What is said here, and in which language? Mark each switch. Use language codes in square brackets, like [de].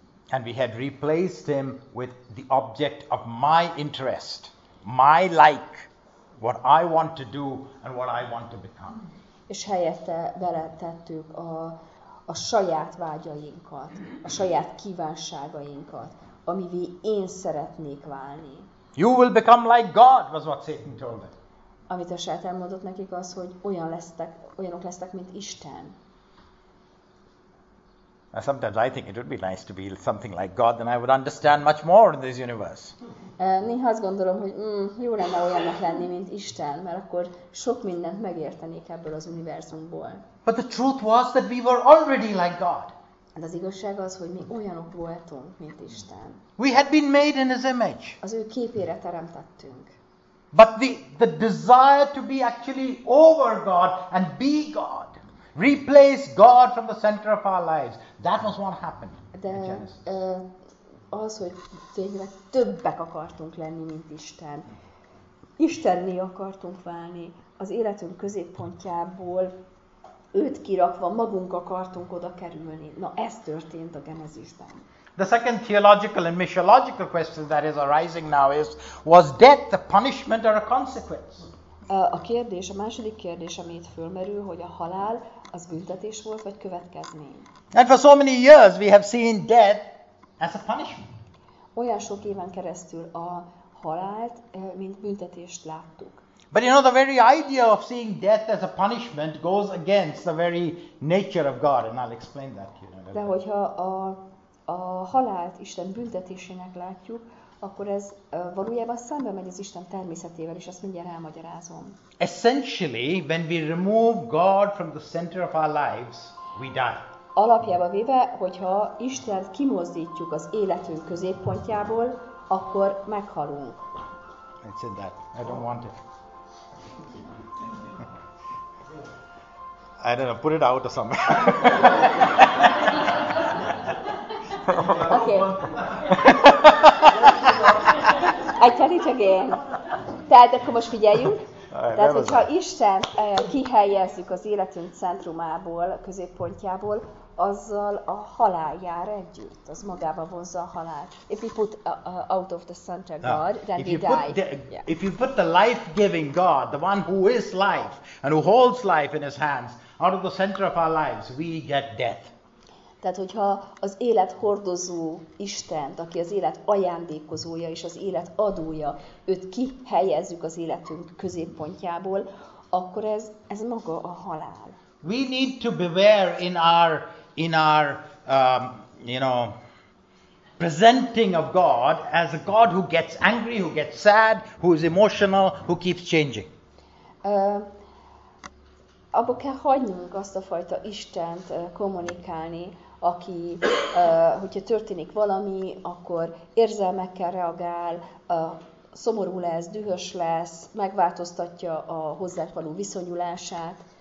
[en] And we had replaced him with the object of my interest, my like, what I want to do and what I want to become. [hu] És helyette vele tettük a saját vágyainkat, a saját kívánságainkat, amivé én szeretnék válni. [en] You will become like God, was what Satan told them. [hu] Amit a Sátán mondott nekik az, hogy olyan lesztek, olyanok lesztek, mint Isten. [en] Now sometimes I think it would be nice to be something like God, then I would understand much more in this universe. [hu] Néha azt gondolom, hogy jó lenne olyannak lenni, mint Isten, mert akkor sok mindent megértenék ebből az univerzumból. [en] But the truth was that we were already like God. [hu] De az igazság az, hogy mi olyanok voltunk, mint Isten. [en] We had been made in his image. [hu] Az ő képére teremtettünk. [en] But the desire to be actually over God and be God, replace God from the center of our lives, that was what happened. [hu] De az, hogy tényleg többek akartunk lenni, mint Isten. Istenné akartunk válni, az életünk középpontjából őt kirakva magunk akartunk oda kerülni. Na, ez történt a Genesisben. [en] The second theological and missiological question that is arising now is, was death a punishment or a consequence? [hu] A kérdés, a második kérdés, ami itt fölmerül, hogy a halál az büntetés volt, vagy következmény? [en] And for so many years we have seen death as a punishment. [hu] Olyan sok éven keresztül a halált, mint büntetést láttuk. [en] But you know, the very idea of seeing death as a punishment goes against the very nature of God, and I'll explain that to you. [hu] De hogyha a halált Isten büntetésének látjuk, akkor ez valójában szembe megy az Isten természetével, és ezt mindjárt elmagyarázom. [en] Essentially, when we remove God from the center of our lives, we die. [hu] Alapjába véve, hogyha Istent kimozdítjuk az életünk középpontjából, akkor meghalunk. [en] I said that. I don't want it. I don't know, put it out or something. Okay. I tell it again. [hu] Tehát akkor most figyeljünk. Tehát, hogyha Isten kihelyezzük az életünk centrumából, középpontjából, azzal a halál jár együtt. Az magába vonzza a halál. [en] If you put out of the center God, then we die. If you put the life-giving God, the one who is life and who holds life in his hands, out of the center of our lives, we get death. [hu] Tehát, hogyha az élet hordozó Istent, aki az élet ajándékozója és az élet adója, őt kihelyezzük az életünk középpontjából, akkor ez maga a halál. [en] We need to beware in our you know, presenting of God as a God who gets angry, who gets sad, who is emotional, who keeps changing. [hu] abba kell hagynunk azt a fajta Istent kommunikálni, aki, hogyha történik valami, akkor érzelmekkel reagál, szomorú lesz, dühös lesz, megváltoztatja a hozzánk való viszonyulását.